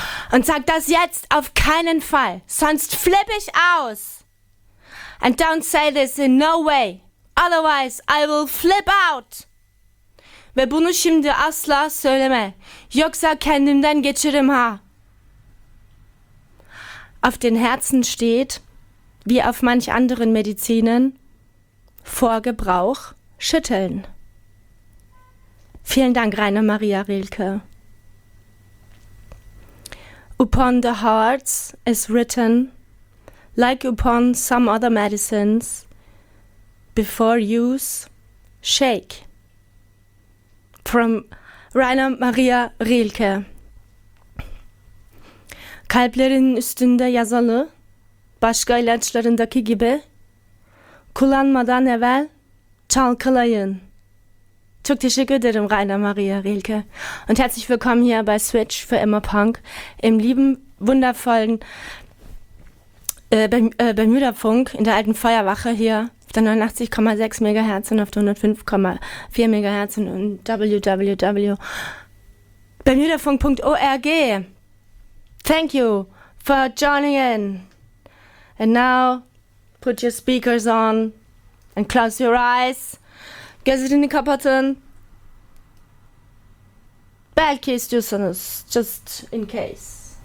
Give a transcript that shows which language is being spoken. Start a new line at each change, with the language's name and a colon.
German: Und sag das jetzt auf keinen Fall, sonst flipp ich aus.
English: And don't say this in no way, otherwise I will flip out.
Turkish: Ve bunu şimdi asla söyleme, yoksa kendimden geçirim ha.
German: Auf den Herzen steht, wie auf manch anderen Medizinen, vor Gebrauch schütteln. Vielen Dank, Rainer Maria Rilke.
English: Upon the hearts is written, like upon some other medicines, before use, shake. From Rainer Maria Rilke.
Turkish: Kalplerinin üstünde yazalı, başka ilaçlarındaki gibi, kullanmadan evvel çalkalayın. Çok teşekkür ederim, Rainer Maria Rilke.
German: Und herzlich willkommen hier bei Switch für immer Punk im lieben, wundervollen Bermuda-Funk in der alten Feuerwache hier auf der 89,6 MHz und auf der 105,4 MHz und www.bermudafunk.org.
English: Thank you for joining in. And now put your speakers on and close your eyes.
Turkish: Gözlerini kapatın. Belki istiyorsanız,
English: just in case.